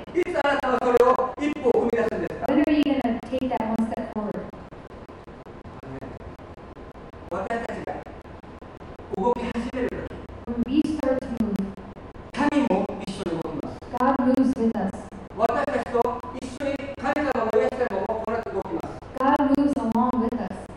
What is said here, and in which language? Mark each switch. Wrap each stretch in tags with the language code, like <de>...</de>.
<ja>いつあなたはそれを一歩踏み出すんですか?</ja> <en>When are you going to take that one step forward?</en> <ja>私たちが動き始めるとき</ja> <en>When we start to move</en> <ja>神も一緒に動きます</ja> <en>God moves with us</en> <ja>私たちと一緒に神様のイエス様もこのように動きます</ja> <en>God moves along with us</en>